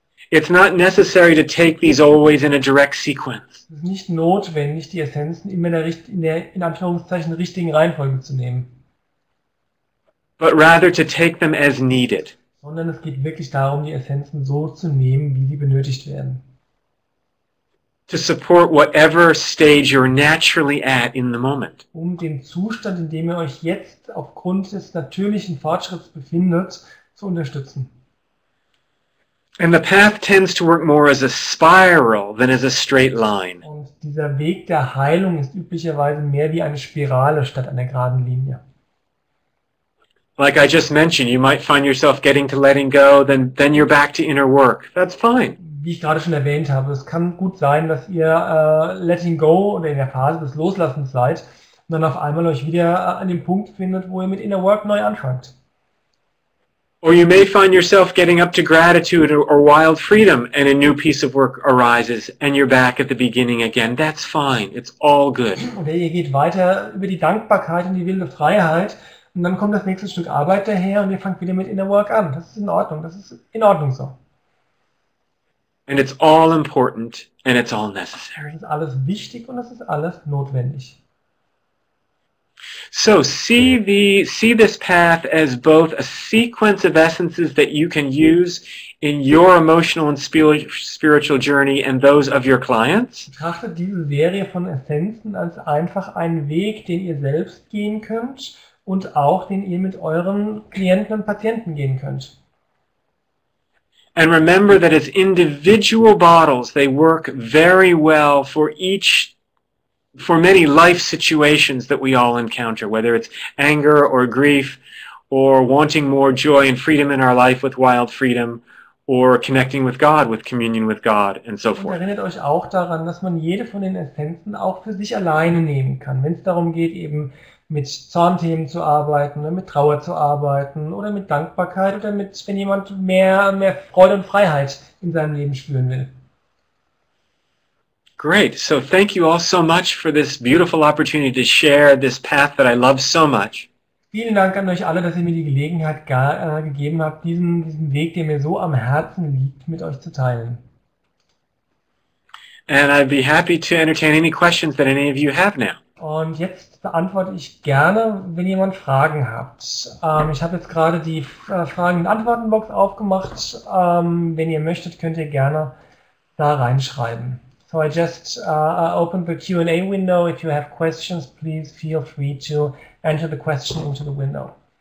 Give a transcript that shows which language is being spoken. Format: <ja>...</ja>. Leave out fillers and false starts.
<en>It's not necessary to take these always in a direct sequence.</en> <de>Es ist nicht notwendig, die Essenzen immer in Anführungszeichen richtigen Reihenfolge zu nehmen.</de> <en>But rather to take them as needed.</en> <de>Sondern es geht wirklich darum, die Essenzen so zu nehmen, wie sie benötigt werden.</de> <en>To support whatever stage you're naturally at in the moment.</en> <de>Um den Zustand, in dem ihr euch jetzt aufgrund des natürlichen Fortschritts befindet, zu unterstützen.</de> <en>And the path tends to work more as a spiral than as a straight line.</en> <de>Und dieser Weg der Heilung ist üblicherweise mehr wie eine Spirale statt einer geraden Linie.</de> <en>Like I just mentioned, you might find yourself getting to letting go, then you're back to inner work. That's fine.</en> <de>Wie ich gerade schon erwähnt habe, es kann gut sein, dass ihr letting go oder in der Phase des Loslassens seid und dann auf einmal euch wieder an dem Punkt findet, wo ihr mit inner work neu anfangt.</de> <en>Or you may find yourself getting up to gratitude or wild freedom and a new piece of work arises and you're back at the beginning again. That's fine. It's all good.</en> <de>Oder ihr geht weiter über die Dankbarkeit und die wilde Freiheit. Und dann kommt das nächste Stück Arbeit daher und ihr fangt wieder mit inner work an. Das ist in Ordnung. Das ist in Ordnung so.</de> <en>And it's all important and it's all necessary.</en> <de>Das ist alles wichtig und das ist alles notwendig.</de> <en>So see this path as both a sequence of essences that you can use in your emotional and spiritual journey and those of your clients.</en> <de>Betrachtet diese Serie von Essenzen als einfach einen Weg, den ihr selbst gehen könnt. und auch den ihr mit euren Klienten und Patienten gehen könnt.</de> <en>And remember that as individual bottles, they work very well for each, for many life situations that we all encounter, whether it's anger or grief or wanting more joy and freedom in our life with wild freedom or connecting with God, with communion with God and so forth.</en> <de>Und erinnert euch auch daran, dass man jede von den Essenzen auch für sich alleine nehmen kann, wenn es darum geht, eben mit Zornthemen zu arbeiten oder mit Trauer zu arbeiten oder mit Dankbarkeit oder mit, wenn jemand mehr Freude und Freiheit in seinem Leben spüren will.</de> <en>Great. So thank you all so much for this beautiful opportunity to share this path that I love so much.</en> <de>Vielen Dank an euch alle, dass ihr mir die Gelegenheit gegeben habt, diesen Weg, der mir so am Herzen liegt, mit euch zu teilen.</de> <en>And I'd be happy to entertain any questions that any of you have now.</en> <de>Und jetzt beantworte ich gerne, wenn jemand Fragen hat. Ich habe jetzt gerade die Fragen- und Antwortenbox aufgemacht. Wenn ihr möchtet, könnt ihr gerne da reinschreiben.</de> <en>So I just opened the Q&A window. If you have questions, please feel free to enter the question into the window.</en>